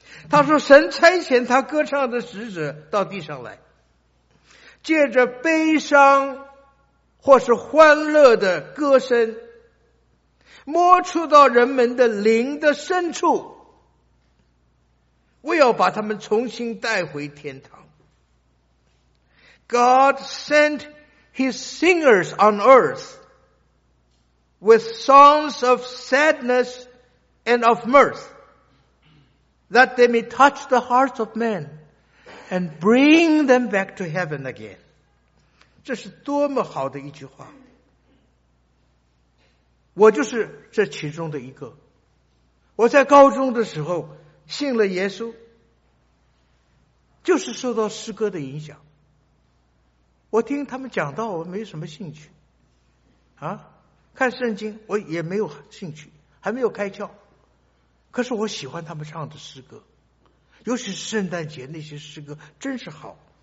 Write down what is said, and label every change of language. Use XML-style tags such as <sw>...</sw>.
<zh>他说神差遣他歌唱的使者到地上来，借着悲伤或是欢乐的歌声摸触到人们的灵的深处，为要把他们重新带回天堂。</zh> <en>God sent his singers on earth with songs of sadness and of mirth that they may touch the hearts of men and bring them back to heaven again。</en> <zh>这是多么好的一句话，我就是这其中的一个。我在高中的时候信了耶稣，就是受到诗歌的影响，我听他们讲道我没什么兴趣啊，看圣经我也没有兴趣，还没有开窍，可是我喜欢他们唱的诗歌，尤其是圣诞节那些诗歌真是好。</zh>